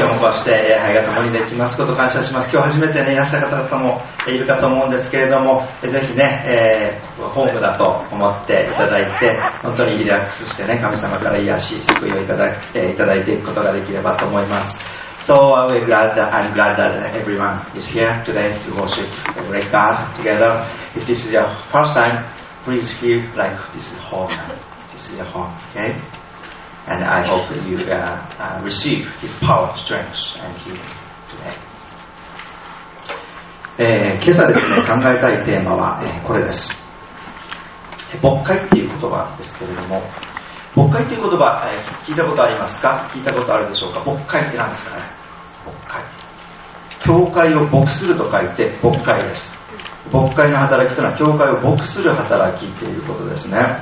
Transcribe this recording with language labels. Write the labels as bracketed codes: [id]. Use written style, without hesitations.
[ja] 今日もこうして礼拝が共にできますこと感謝します。今日初めて、ね、いらっしゃる方もいるかと思うんですけれども、ぜひね、ホームだと思っていただいて、本当にリラックスしてね、神様から癒し救いをいただいていくことができればと思います。 [en] So we're glad that I'm glad that everyone is here today to worship the great God together. If this is your first time, please feel like this is home. This is your home, okay? And I hope that you receive His power, strength, and healing today. [ja] 今朝ですね、考えたいテーマは、これです。牧会っていう言葉ですけれども、牧会っていう言葉、聞いたことありますか？聞いたことあるでしょうか？牧会って何ですかね？牧会。教会を牧すると書いて牧会です。牧会の働きというのは教会を牧する働きということですね。